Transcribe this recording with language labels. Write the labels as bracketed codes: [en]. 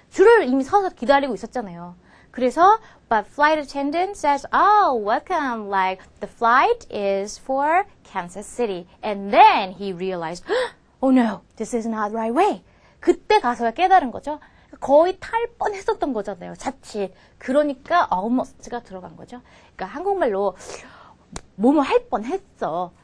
[ko] 줄을 이미 서서 기다리고 있었잖아요. 그래서, [en] but flight attendant says, oh, welcome, like, the flight is for Kansas City. And then he realized, oh no, this is not right way. [ko] 그때 가서야 깨달은 거죠. 거의 탈 뻔했었던 거잖아요, 자칫. 그러니까 almost가 들어간 거죠. 그러니까 한국말로 뭐뭐 할 뻔했어.